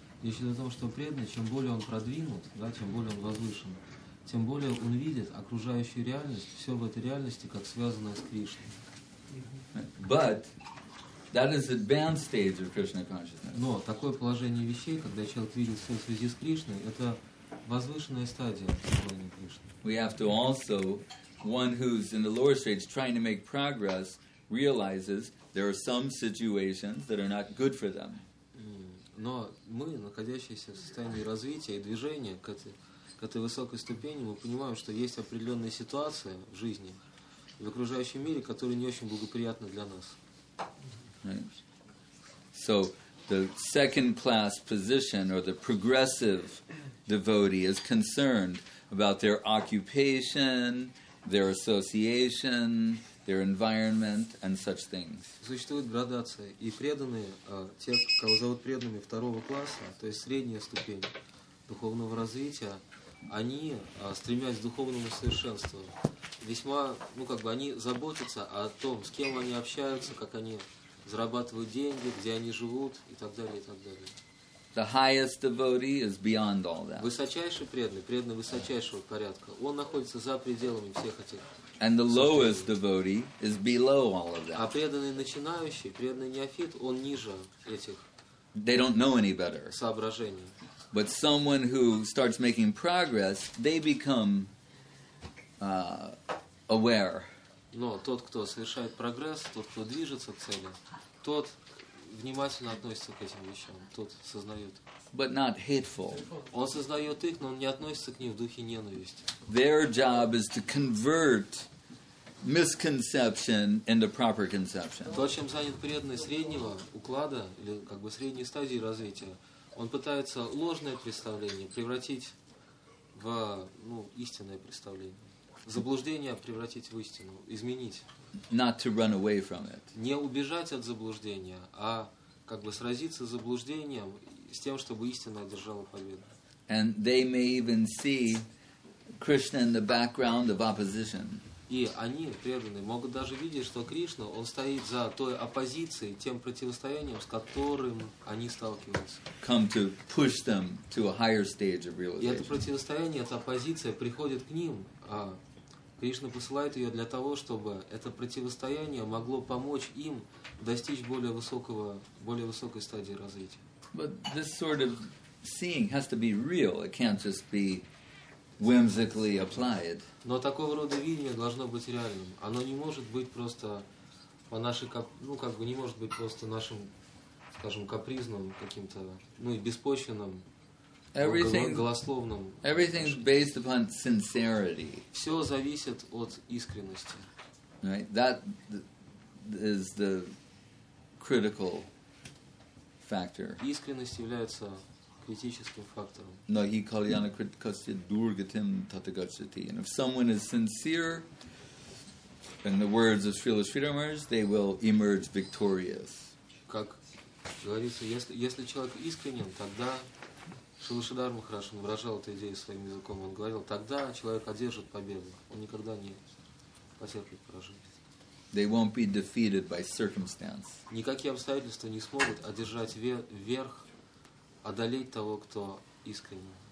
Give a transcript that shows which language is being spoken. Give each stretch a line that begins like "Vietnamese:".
Russian: Речь идет о том, что преданный, чем более он продвинут, да, тем более он возвышен, тем более он видит окружающую реальность, все в этой реальности, как связанное с Кришной.
English: But that is advanced stage of Krishna consciousness.
Russian: Но такое положение вещей, когда человек видит все в связи с Кришной, это возвышенная стадия сознания Кришны.
English: We have to also, one who's in the lower stage trying to make progress, realizes there are some situations that are not good for them.
Russian: Но мы, находящиеся в состоянии развития и движения к этой высокой ступени, мы понимаем, что есть определенные ситуации в жизни, в окружающем мире, которые не очень благоприятны для нас.
English: Right. So, the second class position, or the progressive devotee, is concerned about their occupation, their association, their environment, and such things.
Russian: Существует градация, и преданные, те, кого зовут преданными второго класса, то есть средняя ступень духовного развития, они, стремясь к духовному совершенству, весьма, ну как бы, они заботятся о том, с кем они общаются, как они зарабатывают деньги, где они живут, и так далее, и так далее.
English: The highest devotee is beyond all that.
Russian: Высочайший преданный, преданный высочайшего порядка, он находится за пределами всех этих.
English: And the lowest devotee is below all of that.
Russian: А преданный начинающий, преданный неофит, он ниже этих.
English: They don't know any better.
Russian: Соображений.
English: But someone who starts making progress, they become aware.
Russian: Но тот, кто совершает прогресс, тот, кто движется к цели, тот внимательно относится к этим вещам, тот сознает.
English: But not hateful.
Russian: Он сознает их, но он не относится к ним в духе ненависти.
English: Their job is to convert misconception into proper conception.
Russian: То, чем занят преданный среднего уклада или как бы средней стадии развития, он пытается ложное представление превратить в ну, истинное представление. Заблуждение превратить в истину, изменить.
English: Not to run away from it.
Russian: Не убежать от заблуждения, а как бы сразиться с заблуждением, с тем, чтобы истина одержала победу.
English: And they may even see Krishna in the background of opposition.
Russian: И они, преданные, могут даже видеть, что Кришна, он стоит за той оппозицией, тем противостоянием, с которым они сталкиваются.
English: Come to push them to a higher stage of realization.
Russian: И это противостояние, эта оппозиция приходит к ним, а Кришна посылает ее для того, чтобы это противостояние могло помочь им достичь более высокого, более высокой стадии развития.
English: But this sort of seeing has to be real. It can't just be whimsically applied.
Russian: Но такого рода видение должно быть реальным. Оно не может быть просто по нашей, ну как бы не может быть просто нашим, скажем, капризным каким-то, ну и беспочвенным.
English: Everything is based upon sincerity.
Russian: Все зависит от искренности.
English: Right? That is the critical factor.
Russian: Искренность является критическим фактором.
Sanskrit: No, he kalyana kritikasya durgatim tatagacchati.
English: And if someone is sincere, in the words of Srila Sridhar Maharaj, they will emerge victorious.
Russian: Как говорится, если человек искренен, тогда Шрила Шридхар Махарадж выражал эту идею своим языком. Он говорил, тогда человек одержит победу. Он никогда не потерпит поражение.
English: They won't be defeated by circumstance.
Russian: Никакие обстоятельства не смогут одержать верх, одолеть того, кто искренен.